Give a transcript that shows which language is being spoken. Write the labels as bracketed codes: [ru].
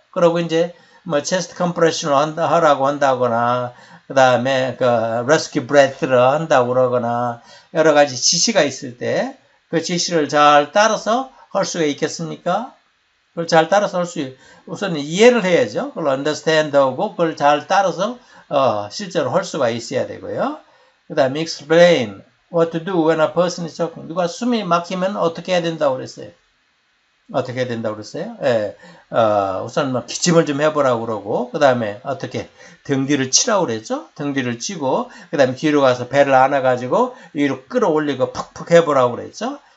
[ko] 그러고 이제 뭐 chest compression을 하라고 한다거나 그 다음에 그 rescue breath를 한다고 그러거나 여러 가지 지시가 있을 때그 지시를 잘 따라서 할 수가 있겠습니까? 그걸 잘 따라서 할수 우선 이해를 해야죠. 그걸 understand하고 그걸 잘 따라서 실제로 할 수가 있어야 되고요. 그다음 [en] explain what to do when a person is choking. [ko] 누가 숨이 막히면 어떻게 해야 된다고 그랬어요? 어떻게 해야 된다고 그랬어요? 예, 우선 막 기침을 좀 해보라고 그러고 그다음에 어떻게 등 뒤를 치라고 그랬죠? 등 뒤를 치고 그다음 뒤로 가서 배를 안아가지고 위로 끌어올리고 푹푹 해보라고 그랬죠?